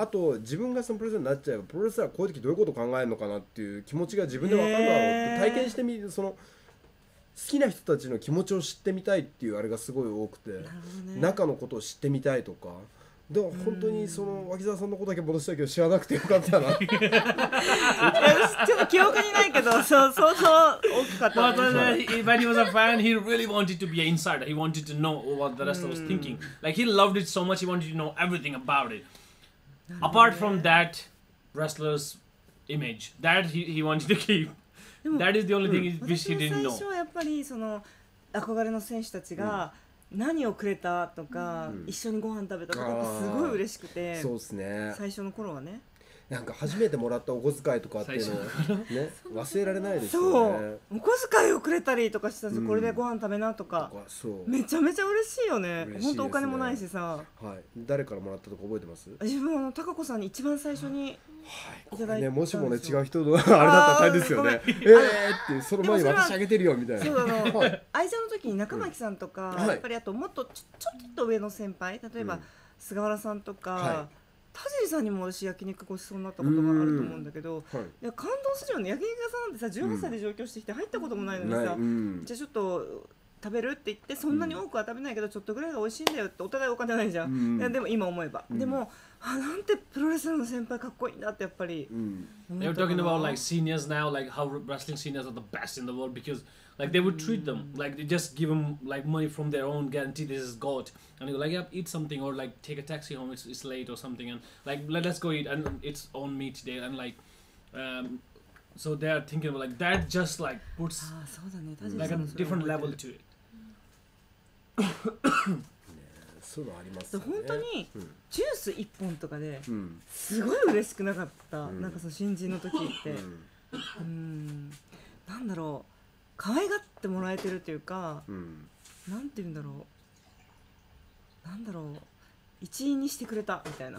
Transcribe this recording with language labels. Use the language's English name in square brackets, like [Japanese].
[Japanese] あと自分がそのプロレスラーになっちゃえば、プロレスラーこういう時どういうこと考えるのかなっていう気持ちが自分で分かるだろうって体験してみて、その好きな人たちの気持ちを知ってみたいっていうあれがすごい多くて、ね、中のことを知ってみたいとか、でも本当にその脇澤さんのことだけ戻したけど知らなくてよかったな。ちょっと記憶にないけど、そう相当大きかった。 [English] But when he was a fan, he really wanted to be an insider. He wanted to know what the rest was thinking. Like he loved it so much, he wanted to know everything about it. Apart from that wrestler's image, that he wanted to keep. That is the only thing which he didn't know. [Japanese] 最初はやっぱりその憧れの選手たちが何をくれたとか、一緒にご飯食べたとかすごい嬉しくて、そうですね。最初の頃はね、なんか初めてもらったお小遣いとかっていうのね、忘れられないですよね。そう、お小遣いをくれたりとかしたんですよ、これでご飯食べなとか、そう、めちゃめちゃ嬉しいよね。本当お金もないしさ、はい。誰からもらったとか覚えてます？自分は高子さんに一番最初に。はい、ね、もしもね違う人のあれだったら大変ですよね。ってその前に渡しあげてるよみたいな。そうだの、はい、愛者の時に中巻さんとか、うん、やっぱりあともっとちょっと上の先輩、例えば菅原さんとか、うん、はい、田尻さんにも私焼肉ごちそうになったことがあると思うんだけど、はい、いや感動するよね。焼肉屋さんなんてさ18歳で上京してきて入ったこともないのにさ、うん、じゃあちょっと食べるって言って、そんなに多くは食べないけど、うん、ちょっとぐらいが美味しいんだよって、お互いお金ないじゃん、うん、いやでも今思えば、うん、でもあなんてプロレスラーの先輩かっこいいんだってやっぱり、うん、 [English] They were talking about like seniors now, like how wrestling seniors are the best in the world, because like they would treat them like they just give them like money from their own guarantee, this is God, and you like yeah, eat something or like take a taxi home, it's late or something, and like let's go eat, and it's on me today, and like so they are thinking about like that just like puts like a different level to it [Japanese] そういうのありますね。本当にジュース1本とかですごい嬉しくなかった、うん、なんかその新人の時って、うん、なんだろう、可愛がってもらえてるというか、うん、なんて言うんだろう、なんだろう、一員にしてくれたみたいな、